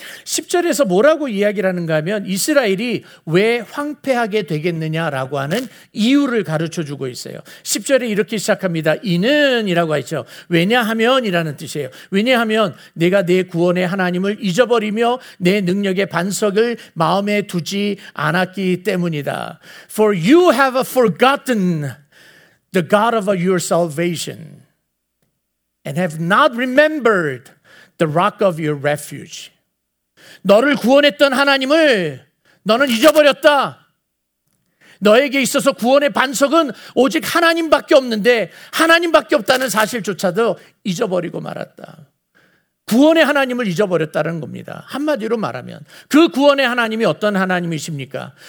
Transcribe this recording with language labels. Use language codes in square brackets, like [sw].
[ko] 10절에서 뭐라고 이야기를 하는가 하면 이스라엘이 왜 황폐하게 되겠느냐라고 하는 이유를 가르쳐주고 있어요. 10절에 이렇게 시작합니다. 이는 이라고 하죠. 왜냐하면 이라는 뜻이에요. 왜냐하면 내가 내 구원의 하나님을 잊어버리며 내 능력의 반석을 마음에 두지 않았기 때문이다. [en] For you have forgotten the God of your salvation and have not remembered the rock of your refuge. [ko] 너를 구원했던 하나님을 너는 잊어버렸다. 너에게 있어서 구원의 반석은 오직 하나님밖에 없는데 하나님밖에 없다는 사실조차도 잊어버리고 말았다. 구원의 하나님을 잊어버렸다는 겁니다. 한마디로 말하면 그 구원의 하나님이 어떤 하나님이십니까?